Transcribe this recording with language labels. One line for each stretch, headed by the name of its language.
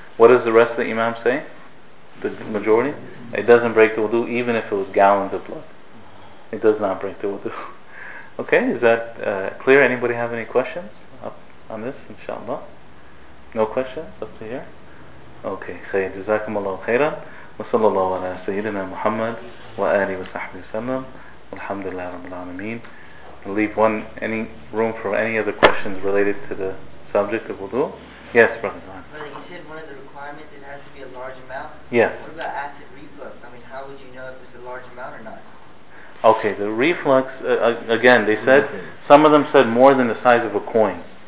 English: What does the rest of the imam say? The majority? It doesn't break the wudu, even if it was gallons of blood. It does not break the wudu. Okay, is that clear? Anybody have any questions on this, inshallah? No questions up to here? Okay, khair. Jazakum Allah khairan.
Arabic: وصلى الله على سيدنا محمد وآله وصحبه وسلم والحمد لله رب العالمين.
English: I'll leave any room for any other questions related to the subject of wudu. Yes, brother. Brother, you said one of the requirements it has to be a large amount. Yes. What about acid reflux? I mean, how would you know if it's a large amount or not? Okay, the reflux, again, they said, some of them said more than the size of a coin.